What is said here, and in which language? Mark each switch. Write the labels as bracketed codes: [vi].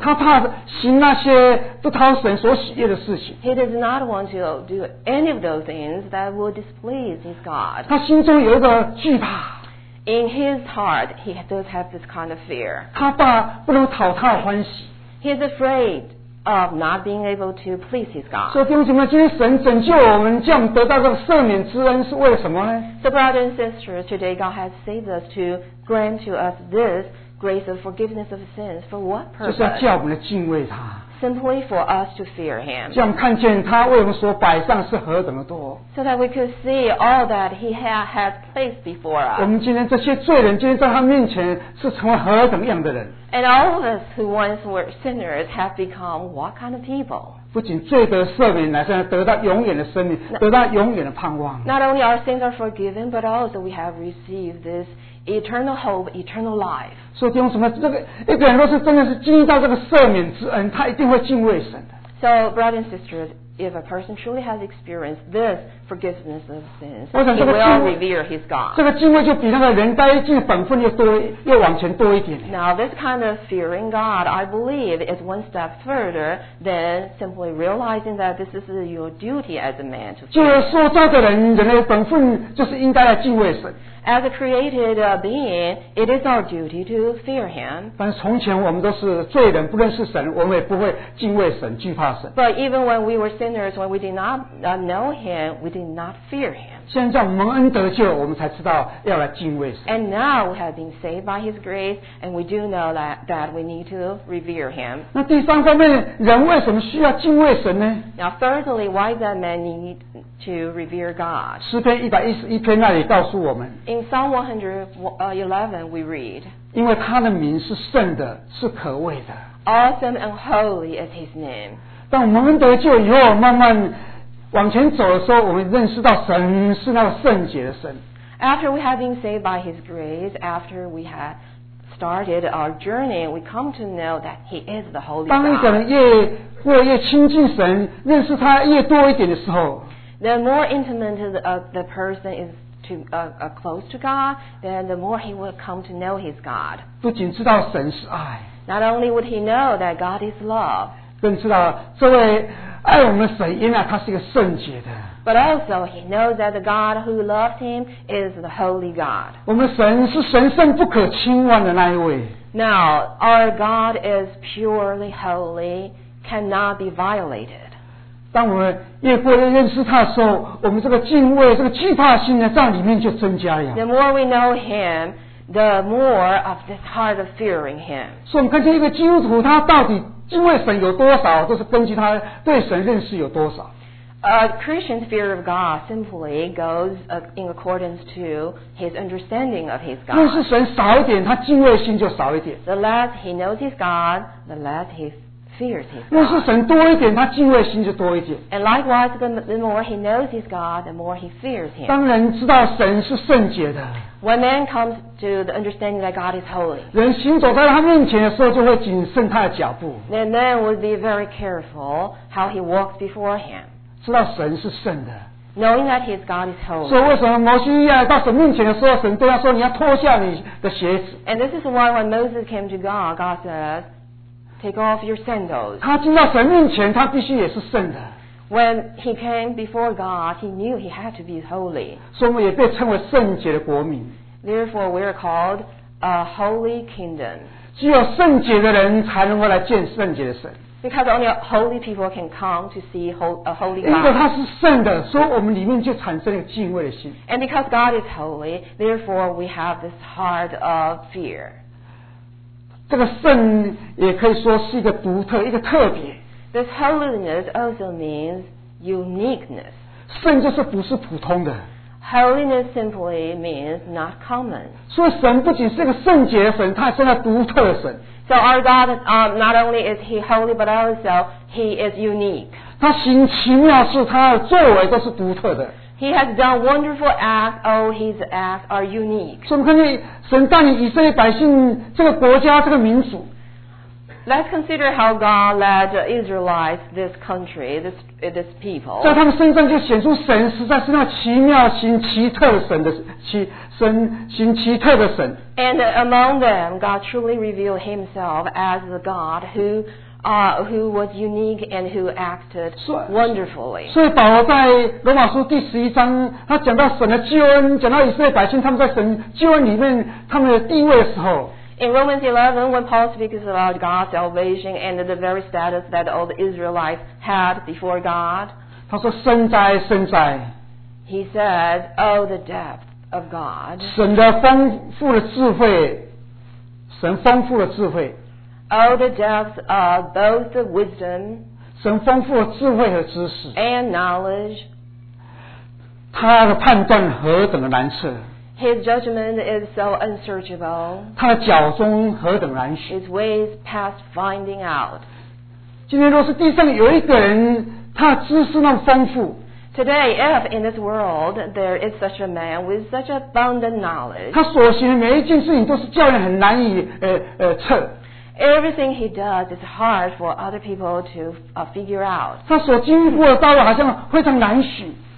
[zh] 他怕行那些不讨神所喜悦的事情。 [en] He does not want to do any of those things that will displease his God. [zh] 他心中有一个惧怕。 [en] In his heart, he does have this kind of fear. [zh] 他怕不能讨他的欢喜。 [en] He is afraid of not being able to please his God. [zh] 所以弟兄姊妹，今天神拯救我们，这样得到这个赦免之恩是为了什么呢？ [en] So brothers and sisters, today God has saved us to grant to us this grace of forgiveness of sins. For what purpose? [zh] 就是要叫我们敬畏他。 [en] Simply for us to fear him. [zh] 叫我们看见他为我们所摆上是何等的多。 [en] So that we could see all that he has placed before us. [zh] 我们今天这些罪人，今天在他面前是成为何等样的人。 [en] And all of us who once were sinners have become what kind of people? [zh] 不仅罪得赦免，乃是得到永远的生命，得到永远的盼望。 [en] Not only our sins are forgiven, but also we have received this eternal hope, eternal life. [zh] 所以用什么？这个一个人若是真的是经历到这个赦免之恩，他一定会敬畏神的。 [en] So, brothers and sisters, if a person truly has experienced this forgiveness of sins, he will revere his God. [zh] 这个敬畏就比那个人该尽本分又往前多一点。 [en] Now, this kind of fearing God, I believe, is one step further than simply realizing that this is your duty as a man to fear. [zh] 就塑造的人，人类本分就是应该来敬畏神。 [en] As a created being, it is our duty to fear him. [zh] 但从前我们都是罪人，不认识神，我们也不会敬畏神，惧怕神。 [en] But even when we were sinners, when we did not know him, we did not fear him. [zh] 现在蒙恩得救，我们才知道要来敬畏神。 [en] And now we have been saved by his grace, and we do know that we need to revere him. [zh] 那第三方面，人为什么需要敬畏神呢？ [en] Now thirdly, why does man need to revere God? [zh] 诗篇111篇那里告诉我们。 [en] In Psalm 111, we read, [zh] 因为他的名是圣的，是可畏的。 [en] Awesome and holy is his name. [zh] 当我们得救以后，慢慢往前走的时候，我们认识到神是那个圣洁的神。 [en] After we have been saved by his grace, after we have started our journey, we come to know that he is the holy God. [zh] 当一个人越亲近神，认识他越多一点的时候， [en] the more intimate the person is to, close to God, then the more he will come to know his God. [zh] 不仅知道神是爱， [en] not only would he know that God is love, [zh] 更知道这位爱我们的神，原来他是一个圣洁的。 [en] But also he knows that the God who loved him is the holy God. [zh] 我们神是神圣不可轻忽的那一位。 [en] Now, our God is purely holy, cannot be violated. [zh] 当我们越过越认识他的时候，我们这个敬畏，这个惧怕心呢，在里面就增加了。 [en] The more we know him, the more of this heart of fearing him. [zh] 所以我们看见一个基督徒他到底敬畏神有多少，都是根据他对神认识有多少。 [en] A Christian's fear of God simply goes in accordance to his understanding of his God. [zh] 认识神少一点，他敬畏心就少一点。 [en] The less he knows his God, the less he fears his God. [zh] 认识神多一点，他敬畏心就多一点。 [en] And likewise, the more he knows his God, the more he fears him. [zh] 当人知道神是圣洁的。 [en] When man comes to the understanding that God is holy, [zh] 人行走在他面前的时候就会谨慎他的脚步。 [en] Then man would be very careful how he walks before him. [zh] 知道神是圣的。 [en] Knowing that his God is holy. [zh] 所以为什么摩西亚到神面前的时候，神对他说：“你要脱下你的鞋子。” [en] And this is why when Moses came to God, God said, "Take off your sandals." [zh] 他进到神面前，他必须也是圣的。 [en] When he came before God, he knew he had to be holy. [zh] 所以我们也被称为圣洁的国民。 [en] Therefore, we are called a holy kingdom. [zh] 只有圣洁的人才能够来见圣洁的神。 [en] Because only holy people can come to see a holy God. [zh] 因为他是圣的，所以我们里面就产生了敬畏的心。 [en] And because God is holy, therefore we have this heart of fear. [zh] 这个圣也可以说是一个独特，一个特别。 [en] This holiness also means uniqueness. [zh] 圣就是不是普通的。 [en] Holiness simply means not common. [zh] 所以神不仅是一个圣洁的神，他是一个独特的神。 [en] So our God, not only is He holy, but also He is unique. [zh] 他行奇妙事，他的作为都是独特的。 [en] He has done wonderful acts. All His acts are unique. [zh] 所以我们看见神带领以色列百姓这个国家这个民族。 [en] Let's consider how God led Israelites, this country, this people. [zh] 在他们身上就显出神实在是那奇妙行奇特的神的奇神行奇特的神。 [en] And among them, God truly revealed Himself as the God who was unique and who acted wonderfully. [zh] 所以保罗在罗马书第十一章，他讲到神的救恩，讲到以色列百姓他们在神救恩里面他们的地位的时候。 [en] In Romans 11, when Paul speaks about God's salvation and the very status that all the Israelites had before God, [zh] 他说圣哉圣哉。 [en] He said, Oh, the depth of God. [zh] 神的丰富的智慧，神丰富的智慧。 [en] Oh, the depth of both the wisdom, [zh] 神丰富的智慧和知识。 [en] And knowledge. [zh] 他的判断何等的难测。 [en] His judgment is so unsearchable. [zh] 他的脚踪何等难寻。 [en] His ways past finding out. [zh] 今天若是地上有一个人，他的知识那么丰富。 [en] Today, if in this world there is such a man with such abundant knowledge. [zh] 他所行的每一件事情都是叫人很难以测。 [en] Everything he does is hard for other people to figure out. [zh] 他所经过的道路好像非常难寻。